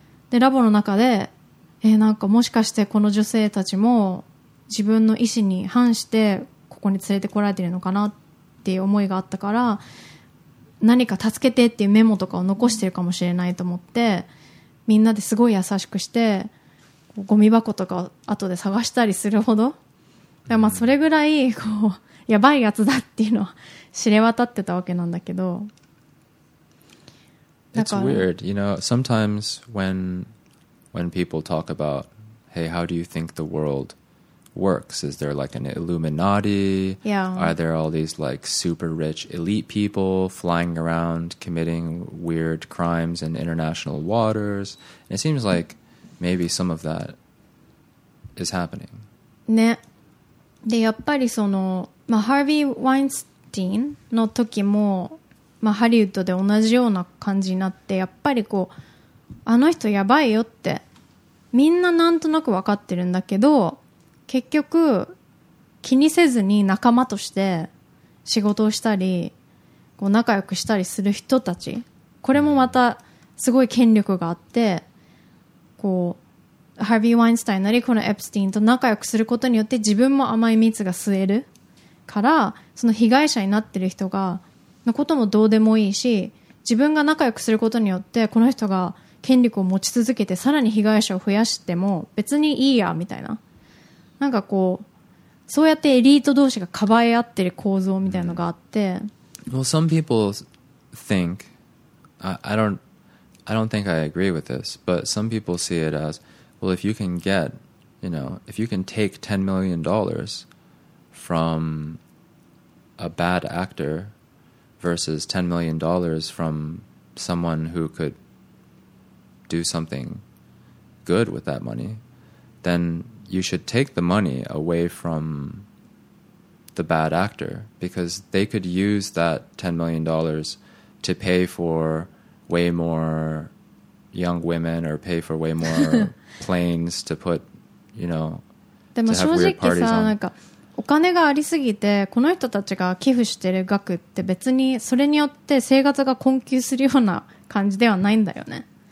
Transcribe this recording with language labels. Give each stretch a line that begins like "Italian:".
Japanese: でラボの中でなんかもしかしてこの女性たちも自分の意思に反してここに連れてこられてるのかなっていう思いがあったから、何か助けてっていうメモとかを残してるかもしれないと思って、みんなですごい優しくしてゴミ箱とかを後で探したりするほど、まあそれぐらいこうやばいやつだっていうのは知れ渡ってたわけなんだけど、だから
English: It's weird, you know, sometimes when people talk about, hey, how do you think the world works? Is there like an Illuminati? Yeah. Are there all these like super rich elite people flying around committing weird crimes in international waters? And it seems like maybe some of that is happening.
Japanese: ね。で、やっぱりその、まあ、ハーヴィー・ワインスティーンの時も、まあ、ハリウッドで同じような感じになって、やっぱりこう、あの人やばいよってみんななんとなく分かってるんだけど、結局気にせずに仲間として仕事をしたりこう仲良くしたりする人たち、これもまたすごい権力があって、こうハービー・ワインスタインなりこのエプスティンと仲良くすることによって自分も甘い蜜が吸えるから、その被害者になってる人がのこともどうでもいいし、自分が仲良くすることによってこの人が権力を持ち続けてさらに被害者を増やしても別にいいやみたいな、なんかこうそうやってエリート同士がかばい合ってる構造みたいなのがあって、
English: Well, some people think I don't think I agree with this, but some people see it as, well, if you can get, you know, if you can take $10 million from a bad actor versus $10 million from someone who couldDo something good with that money, then you should take the money away from the bad actor because they could use that $10 million to pay for way more young women or pay for way more planes to put, you know, to have weird parties on.
Japanese: でも正直さ、なんかお金がありすぎてこの人たちが寄付してる額って別にそれによって生活が困窮するような感じではないんだよね。